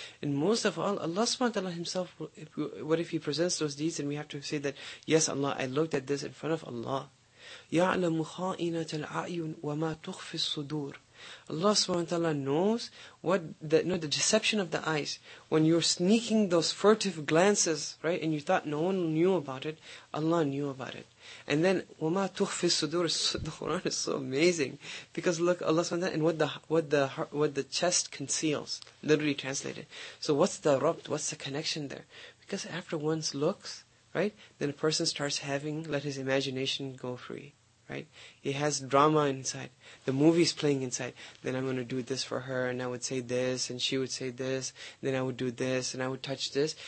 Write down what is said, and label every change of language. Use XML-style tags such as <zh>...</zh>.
<en>And most of all, Allah subhanahu wa ta'ala himself, if he presents those deeds, and we have to say that, yes Allah, I looked at this in front of Allah.</en> <ar>يَعْلَمُ خَائِنَةَ الْأَعْيُنِ وَمَا تُخْفِ الصُّدُورِ.</ar> <en>Allah subhanahu wa ta'ala knows what the deception of the eyes. When you're sneaking those furtive glances, right, and you thought no one knew about it, Allah knew about it. And then</en> <ar>وَمَا تُخْفِ الصُّدُورِ.</ar> <en>The Quran is so amazing. Because look, Allah subhanahu wa ta'ala, and what the chest conceals, literally translated. So what's the rabt, what's the connection there? Because after one's looks, right, then a person starts having, let his imagination go free. right? It has drama inside. The movie's playing inside. Then I'm going to do this for her, and I would say this, and she would say this, then I would do this, and I would touch this.</en>